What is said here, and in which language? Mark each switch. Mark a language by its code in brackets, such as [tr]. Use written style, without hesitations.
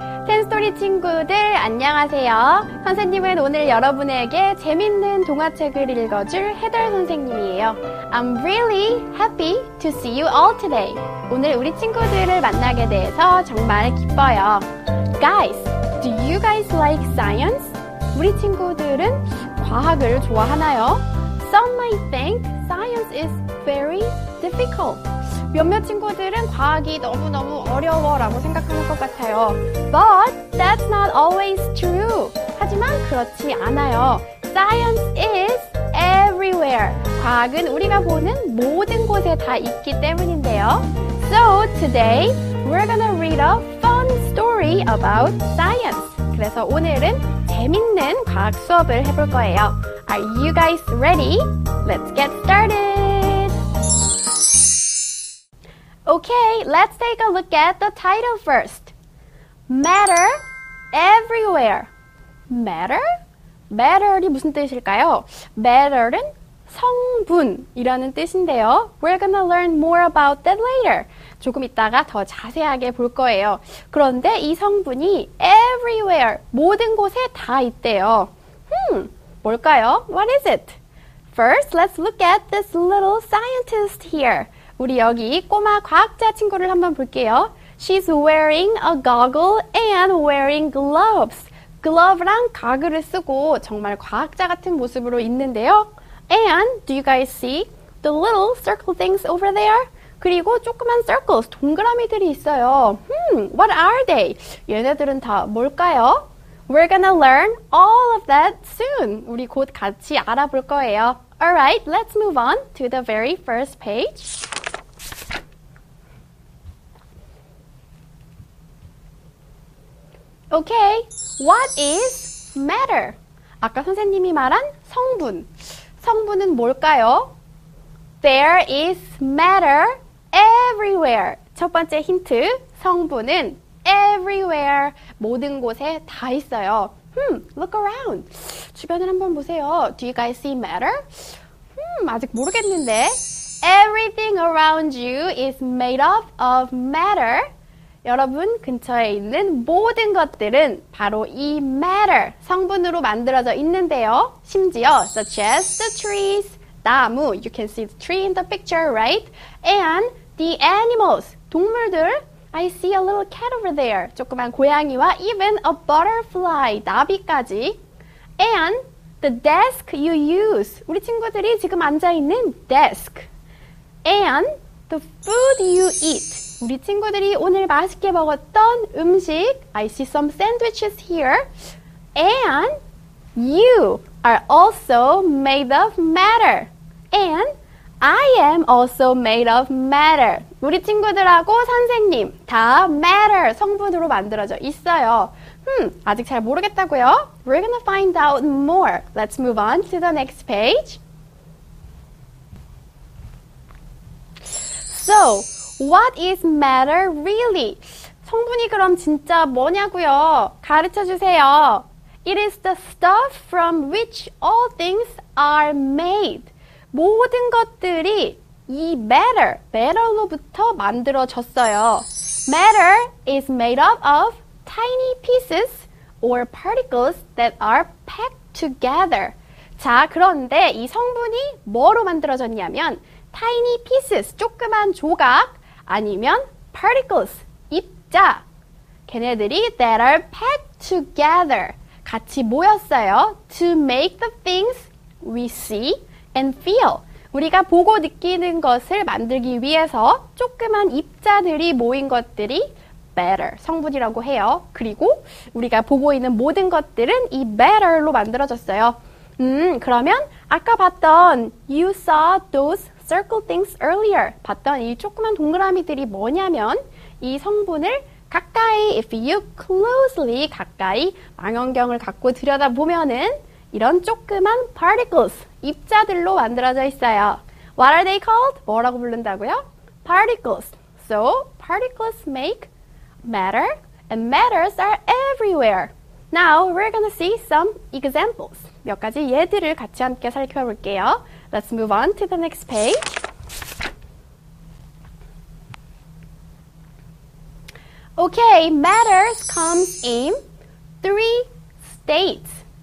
[ko] 10스토리 친구들 안녕하세요. 선생님은 오늘 여러분에게 재밌는 동화책을 읽어줄 헤더 선생님이에요. [en] I'm really happy to see you all today. [ko] 오늘 우리 친구들을 만나게 돼서 정말 기뻐요. [en] Guys, do you guys like science? [ko] 우리 친구들은 과학을 좋아하나요? [en] Some might think science is very difficult. [ko] 몇몇 친구들은 과학이 너무너무 어려워라고 생각하는 것 같아요. [en] But that's not always true. [ko] 하지만 그렇지 않아요. [en] Science is everywhere. [ko] 과학은 우리가 보는 모든 곳에 다 있기 때문인데요. [en] So today we're gonna read a fun story about science. [ko] 그래서 오늘은 재밌는 과학 수업을 해볼 거예요. [en] Are you guys ready? Let's get started. Okay, let's take a look at the title first. Matter everywhere. Matter? [ko] Matter이 무슨 뜻일까요? Matter은 성분이라는 뜻인데요. [en] We're gonna learn more about that later. [ko] 조금 이따가 더 자세하게 볼 거예요. 그런데 이 성분이 everywhere, 모든 곳에 다 있대요. 뭘까요? [en] What is it? First, let's look at this little scientist here. [ko] 우리 여기 꼬마 과학자 친구를 한번 볼게요. [en] She's wearing a goggle and wearing gloves. [ko] Glove랑 가글을 쓰고 정말 과학자 같은 모습으로 있는데요. [en] And do you guys see the little circle things over there? [ko] 그리고 조그만 circles, 동그라미들이 있어요. [en] What are they? [ko] 얘네들은 다 뭘까요? [en] We're gonna learn all of that soon. [ko] 우리 곧 같이 알아볼 거예요. [en] Alright, let's move on to the very first page. Okay, what is matter? [ko] 아까 선생님이 말한 성분. 성분은 뭘까요? [en] There is matter everywhere. [ko] 첫 번째 힌트, 성분은 everywhere. 모든 곳에 다 있어요. [en] Look around. [ko] 주변을 한번 보세요. [en] Do you guys see matter? [ko] 아직 모르겠는데. [en] Everything around you is made up of matter. [ko] 여러분, 근처에 있는 모든 것들은 바로 이 matter, 성분으로 만들어져 있는데요. 심지어, [en] such as the trees, 나무, you can see the tree in the picture, right? And the animals, 동물들, I see a little cat over there, [ko] 조그만 고양이와 [en] even a butterfly, 나비까지. And the desk you use, [ko] 우리 친구들이 지금 앉아있는 [en] desk. And the food you eat. [ko] 우리 친구들이 오늘 맛있게 먹었던 음식, [en] I see some sandwiches here. And you are also made of matter. And I am also made of matter. [ko] 우리 친구들하고 선생님 다 matter 성분으로 만들어져 있어요. 아직 잘 모르겠다고요? [en] We're gonna find out more. Let's move on to the next page. So, what is matter really? [ko] 성분이 그럼 진짜 뭐냐고요? 가르쳐 주세요. [en] It is the stuff from which all things are made. [ko] 모든 것들이 이 matter, matter로부터 만들어졌어요. [en] Matter is made up of tiny pieces or particles that are packed together. [ko] 자, 그런데 이 성분이 뭐로 만들어졌냐면 tiny pieces, 조그만 조각, 아니면 particles, 입자, 걔네들이 [en] that are packed together, [ko] 같이 모였어요. [en] To make the things we see and feel. [ko] 우리가 보고 느끼는 것을 만들기 위해서 조그만 입자들이 모인 것들이 matter, 성분이라고 해요. 그리고 우리가 보고 있는 모든 것들은 이 matter로 만들어졌어요. 그러면 아까 봤던 [en] you saw those circle things earlier. [ko] 봤던 이 조그만 동그라미들이 뭐냐면 이 성분을 가까이, [en] if you closely [ko] 가까이 망원경을 갖고 들여다보면은 이런 조그만 particles, 입자들로 만들어져 있어요. [en] What are they called? [ko] 뭐라고 부른다고요? Particles. So [en] So particles make matter, and matters are everywhere. Now we're going to see some examples. [ko] 몇 가지 예들을 같이 함께 살펴볼게요. [en] Let's move on to the next page. Okay, matter comes in three states.